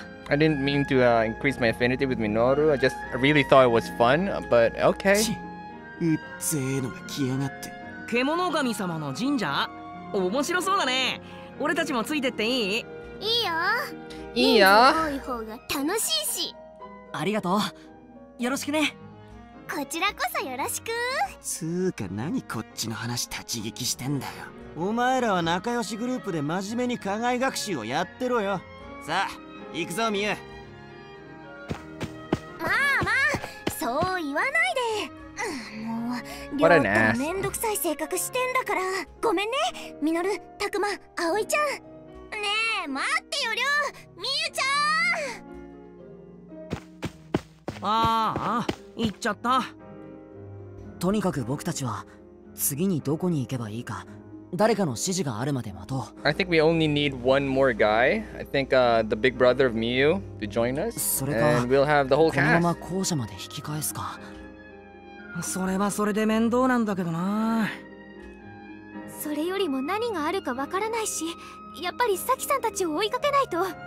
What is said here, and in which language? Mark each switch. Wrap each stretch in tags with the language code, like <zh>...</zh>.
<en>I didn't mean to increase my affinity with Minoru. I just really thought it was fun, but okay.</en> <ja>うっぜーのが来やがって。獣神様の神社？面白そうだね。俺たちもついてっていい？いいよ。いいよ。多い方が楽しいし。ありがとう。よろしくね。こちらこそよろしく。つーか、何こっちの話立ち聞きしてんだよ。お前らは仲良しグループで真面目に課外学習をやってろよ。さあ行くぞ、ミュウ。まあまあ、そう言わないで。もう、両方ともめんどくさい性格してんだから。ごめんね、ミノル、タクマ、アオイちゃん。ねえ、待ってよ、リョウ、ミユちゃん。ああ、行っちゃった。とにかく僕たちは、次にどこに行けばいいか。誰かの指示があるまで待とう。</ja> <en>I think we only need one more guy. I think the big brother of Miu to join us.</en> <ja>それか、</ja> <en>and we'll have the whole cast.</en> <ja>このまま校舎まで引き返すか。それはそれで面倒なんだけどな。それよりも何があるかわからないし、やっぱりサキさんたちを追いかけないと。</ja>